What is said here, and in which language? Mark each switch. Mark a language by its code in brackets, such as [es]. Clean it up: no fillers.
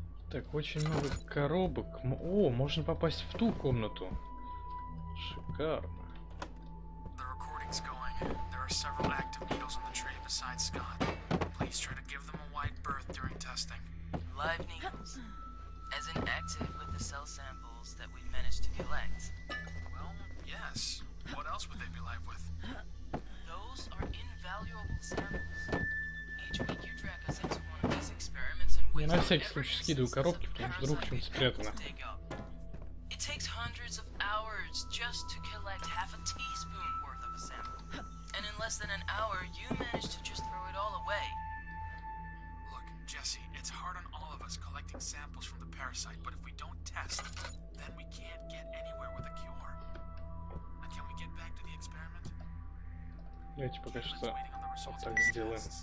[ru] Так, очень много коробок. О, можно попасть в ту комнату. Шикарно. [en] The recording's going. There are several active needles on the tray besides Scott. Please try to give them a wide berth during testing. Live needles. As in active with the cell samples that we managed to collect. Well, yes. What else would they be live with? Those are invaluable samples. Each week you drag us into one of these experiments and waste. [ru] Я на всякий случай скидываю коробки, потому что вдруг что-нибудь спрятано. [en] It takes hundreds of hours just to collect half a teaspoon worth of a sample. And in less than an hour, you manage to just throw it all away. Look, Jesse, it's hard on all of us collecting samples from the parasite, but if we don't test, then we can't get anywhere with a cure. Now can we get back to the experiment? [ru] Давайте пока что вот так сделаем.